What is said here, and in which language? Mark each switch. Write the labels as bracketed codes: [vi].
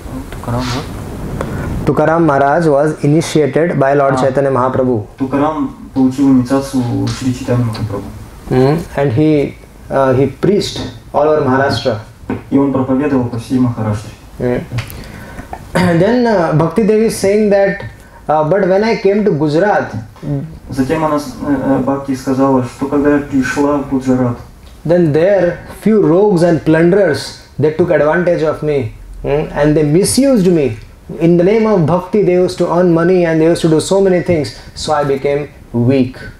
[en] Tukaram what? Tukaram Maharaj was initiated by Lord Chaitanya Mahaprabhu. [ru] Tukaram получил инициацию у Шри Чайтанья Махапрабху. [en] And he preached all over Maharashtra. [ru] И он проповедовал по всей Махараштре. [en] And then Bhakti Devi is saying that, but when I came to Gujarat, [ru] затем она Бхакти сказала, что когда я пришла в Гуджарат, [en] then there few rogues and plunderers, they took advantage of me, and they misused me in the name of Bhakti. They used to earn money and they used to do so many things, so I became weak.